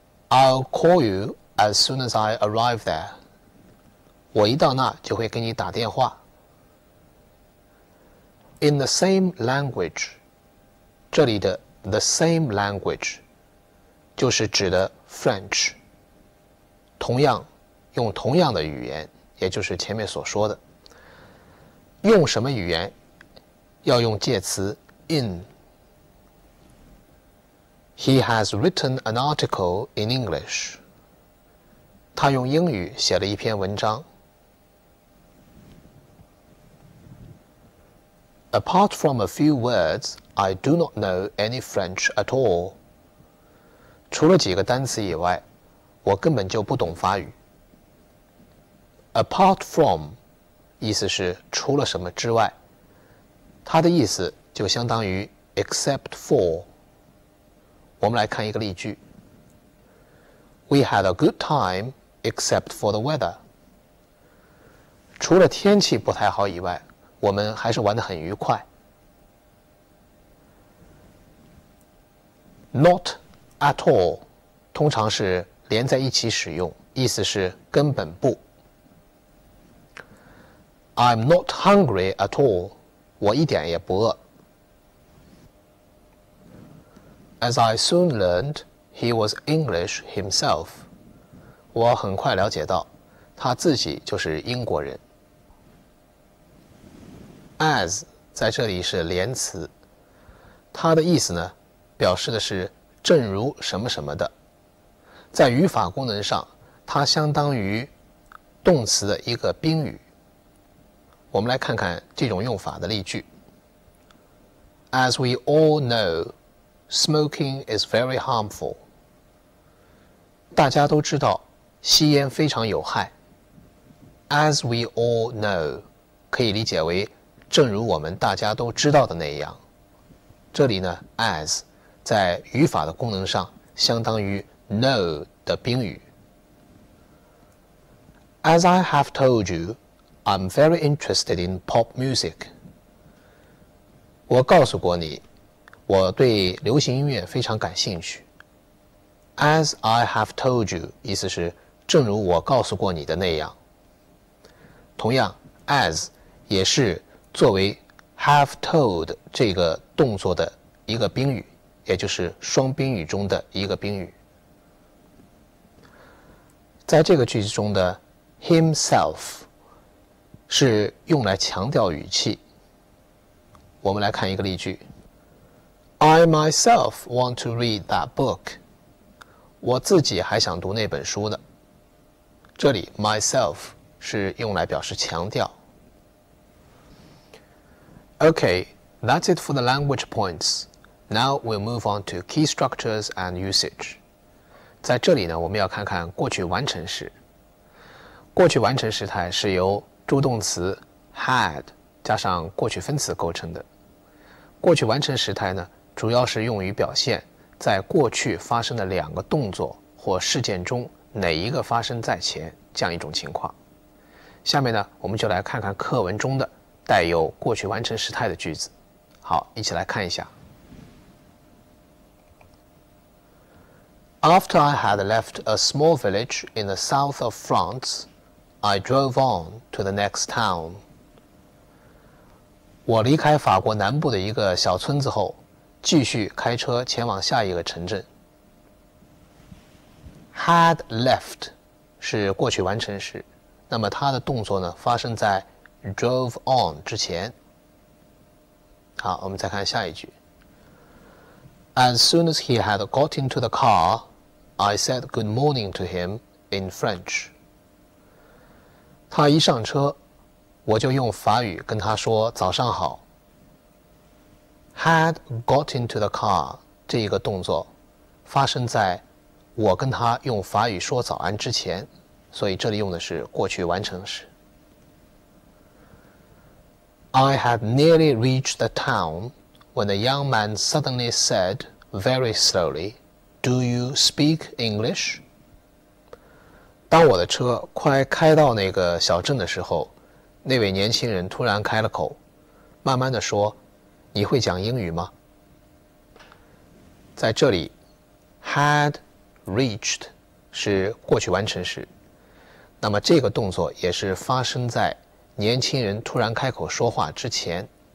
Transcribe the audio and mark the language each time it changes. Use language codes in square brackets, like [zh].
[en] I'll call you as soon as I arrive there. [zh] 我一到那就会给你打电话。 [en] In the same language, [zh] 这里的 [en] the same language [zh] 就是指的 French, 同样用同样的语言，也就是前面所说的。用什么语言要用介词 in。 [en] He has written an article in English. [zh] 他用英语写了一篇文章。 [en] Apart from a few words, I do not know any French at all. [zh] 除了几个单词以外，我根本就不懂法语。 [en] Apart from [zh] 意思是除了什么之外，它的意思就相当于 [en] except for。 [zh] 我们来看一个例句。 [en] We had a good time except for the weather. [zh] 除了天气不太好以外，我们还是玩得很愉快。 Not at all 通常是连在一起使用，意思是根本不。 [en] I'm not hungry at all. [zh] 我一点也不饿。 [en] As I soon learned, he was English himself. [zh] 我很快了解到，他自己就是英国人。 As 在这里是连词，它的意思呢，表示的是正如什么什么的。在语法功能上，它相当于动词的一个宾语。我们来看看这种用法的例句。 [en] As we all know,Smoking is very harmful. [zh] 大家都知道，吸烟非常有害。 [en] As we all know, [zh] 可以理解为正如我们大家都知道的那样。这里呢 ，as 在语法的功能上相当于 know 的宾语。 [en] As I have told you, I'm very interested in pop music. [zh] 我告诉过你。我对流行音乐非常感兴趣。 [en] As I have told you, [zh] 意思是正如我告诉过你的那样。同样 ,as 也是作为 have told 这个动作的一个宾语，也就是双宾语中的一个宾语。在这个句子中的 himself 是用来强调语气。我们来看一个例句。 [en] I myself want to read that book. [zh] 我自己还想读那本书呢。这里 myself 是用来表示强调。 [en] Okay, that's it for the language points. Now we'll move on to key structures and usage. [zh] 在这里呢，我们要看看过去完成时。过去完成时态是由助动词 had 加上过去分词构成的。过去完成时态呢，主要是用于表现在过去发生的两个动作或事件中哪一个发生在前这样一种情况。下面呢，我们就来看看课文中的带有过去完成时态的句子。好，一起来看一下。 [en] After I had left a small village in the south of France, I drove on to the next town. [zh] 我离开法国南部的一个小村子后，继续开车前往下一个城镇。 [en] Had left [zh] 是过去完成时，那么它的动作呢，发生在 drove on 之前。好，我们再看下一句。 [en] As soon as he had got into the car, I said good morning to him in French. [zh] 他一上车，我就用法语跟他说早上好。 [en] Had got into the car [zh] 这一个动作发生在我跟他用法语说早安之前，所以这里用的是过去完成时。 [en] I had nearly reached the town when a young man suddenly said, very slowly, Do you speak English? [zh] 当我的车快开到那个小镇的时候，那位年轻人突然开了口，慢慢地说，你会讲英语吗？在这里 [en] had reached [zh] 是过去完成时，那么这个动作也是发生在年轻人突然开口说话之前。